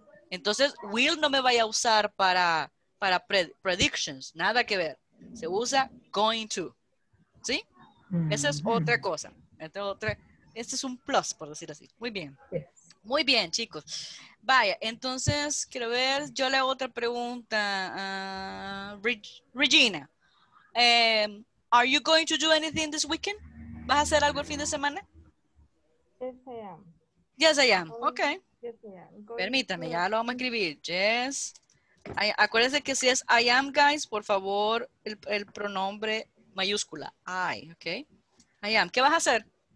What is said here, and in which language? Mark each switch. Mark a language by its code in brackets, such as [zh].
[es] Entonces, will no me vaya a usar para predictions, nada que ver. Se usa going to. ¿Sí? Esa es otra cosa. Este es un plus, por decir así. Muy bien. Muy bien, chicos. Vaya, entonces, quiero ver, yo le hago otra pregunta a Regina. [en] Are you going to do anything this weekend? [es] ¿Vas a hacer algo el fin de semana? [en] Yes, I am. Yes, I am. Okay. Yes, I am. [es] Permítame, ya lo vamos a escribir. [en] Yes. [es] Acuérdense que si es I am, guys, por favor, el pronombre mayúscula. [en] I, okay. I am. [es] ¿Qué vas a hacer?